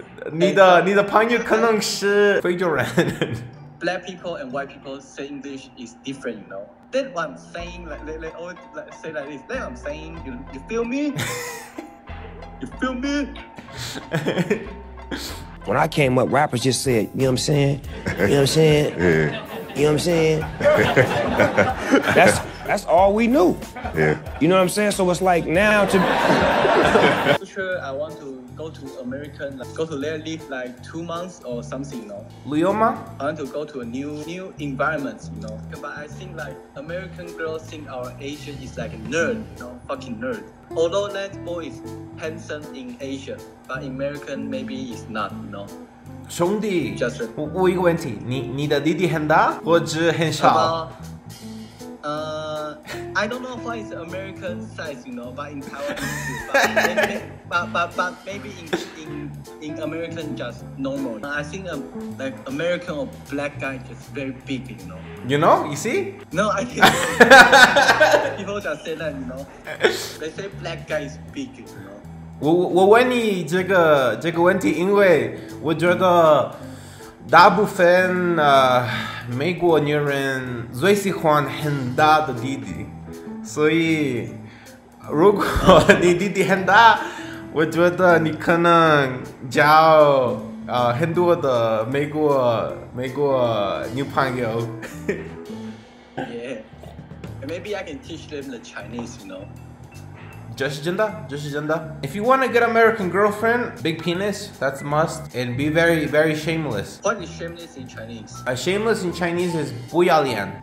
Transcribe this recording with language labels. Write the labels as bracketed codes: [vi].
[zh] 你的朋友可能是非洲人。 [en] Black people and white people say English is different, you know. That what I'm saying, like they always like, say like this. That I'm saying, you feel me? You feel me? When I came up, rappers just said, you know what I'm saying? You know what I'm saying? Yeah. You know what I'm saying? that's all we knew. Yeah. You know what I'm saying? So it's like now to sure I want to go to American, like, go to there live like 2 months or something, you know. Lioma? I want to go to a new environment, you know. But I think like American girls think our Asia is like a nerd, you know, fucking nerd. Although that boy is handsome in Asia, but American maybe is not, you know. [zh] 兄弟，我问一个问题，你的弟弟很大，或者很小？ [en] I don't know what is American size, you know, but in Taiwan, but maybe in American just normal. I think like American or black guy just very big, you know. You know, you see? No, I think people just say that, you know. They say black guy is big, you know. [zh] 我问你这个问题，因为我觉得大部分美国女人最喜欢很大的弟弟，所以如果你弟弟很大，我觉得你可能交很多的美国女朋友。 [en] Yeah, maybe I can teach them the Chinese, you know. Just agenda. If you want a good American girlfriend, big penis, that's a must. And be very, very shameless. What is shameless in Chinese? Shameless in Chinese is [zh] 不要脸.